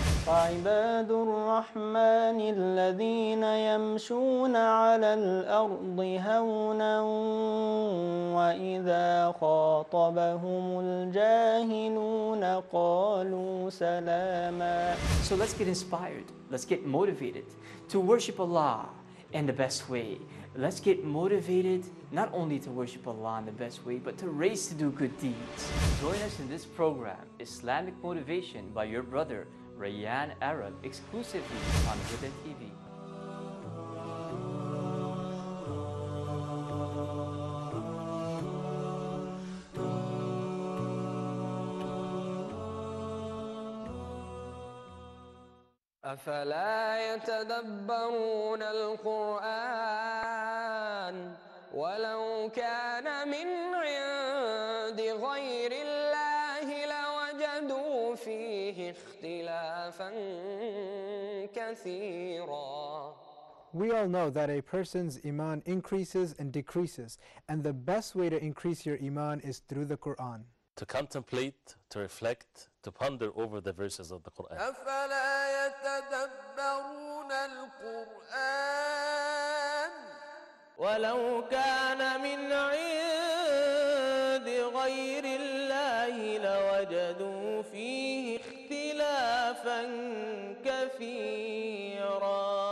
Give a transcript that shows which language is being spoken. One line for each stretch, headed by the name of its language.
Arabic: عباد الرحمن الذين يمشون على الأرض هونا وإذا خاطبهم الجاهلون قالوا سلاما.
English: So let's get inspired. Let's get motivated to worship Allah in the best way. Let's get motivated not only to worship Allah in the best way, but to race to do good deeds. Join us in this program, Islamic Motivation, by your brother, Rayyan Arab, exclusively on Within TV.
Arabic: أفلا يتدبرون القرآن ولو كان من عند غير الله لوجدوا فيه اختلافا كثيرا.
English: We all know that a person's iman increases and decreases, and the best way to increase your iman is through the Quran. To contemplate, to reflect, to ponder over the verses of the Quran.
Arabic: أَفَلَا يَتَدَبَّرُونَ الْقُرْآنَ وَلَوْ كَانَ مِنْ عِنْدِ غَيْرِ اللَّهِ لَوَجَدُوا فِيهِ اخْتِلَافًا كَثِيرًا.